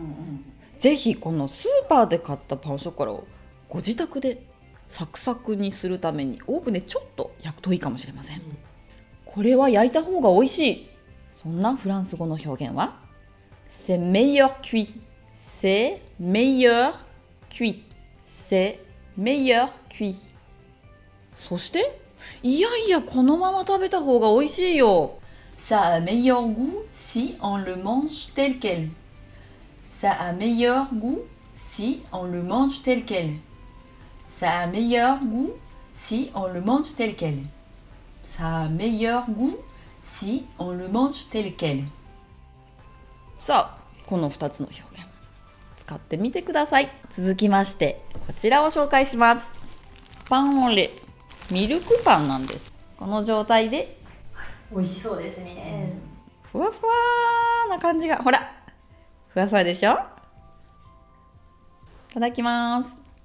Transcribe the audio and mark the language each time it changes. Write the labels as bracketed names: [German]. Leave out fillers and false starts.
[Japanese] んうんうん、ぜひこのスーパーで買ったパンショコラをご自宅でサクサクにするためにオーブンでちょっと焼くといいかもしれません、うん、これは焼いた方が美味しい。そんなフランス語の表現は [French] C'est meilleur cuit. C'est meilleur cuit. C'est meilleur cuit. [Japanese] そしていやいや、このまま食べた方が美味しいよ。 [French] Ça a meilleur goût si on le mange tel quel. Ça a meilleur goût si on le mange tel quel. Ça a meilleur goût si on le mange tel quel. Ça a meilleur goût si on le mange tel quel. [Japanese] さあ、この2つの表現使ってみてください。続きまして、こちらを紹介します。パンオレ、ミルクパンなんです。この状態で美味しそうですね、うん、ふわふわな感じが、ほらふわふわでしょ。いただきます。